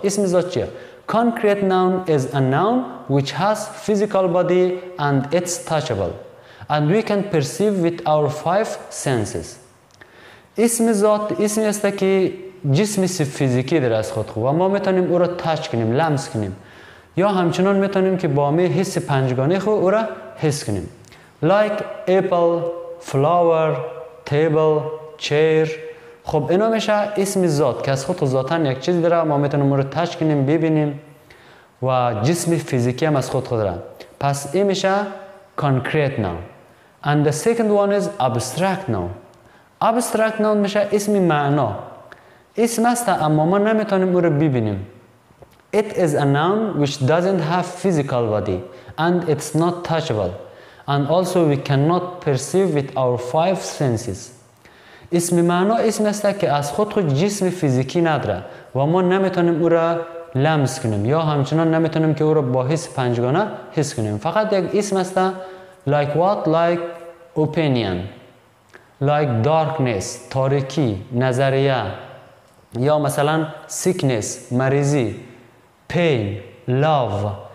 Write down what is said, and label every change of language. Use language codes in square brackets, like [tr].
[fa] اسم ذات چیه؟ [en] Concrete noun is a noun which has physical body and it's touchable. And we can perceive with our five senses. [fa] اسم ذات اسمی است که جسمی فیزیکی در از خود و ما میتونیم او را تچ کنیم، لمس کنیم یا همچنان میتونیم که با می حس پنجگانه خود او را حس کنیم. [en] Like apple, flower, table, chair. [fa] خب اینا میشه اسم ذات که از خود ذاتن یک چیز داره، ما میتونیم او را تچ کنیم، ببینیم و جسمی فیزیکی هم از خود خود داره. پس این میشه concrete noun. [en] And the second one is abstract noun. Abstract noun [fa] میشه اسم معنا. اسم است اما ما نمیتونیم او رو ببینیم. [en] It is a noun which doesn't have physical body and it's not touchable. And also we cannot perceive with our five senses. [fa] اسم معنا اسم است که از خود خود جسم فیزیکی نداره و ما نمیتونیم او رو لمس کنیم یا همچنان نمیتونیم که او رو با حس پنجگانه حس کنیم. فقط یک اسم است. [en] Like what? Like opinion. Like darkness, [fa] تاریکی، نظریه یا مثلا [en] sickness, مریضی، pain, love.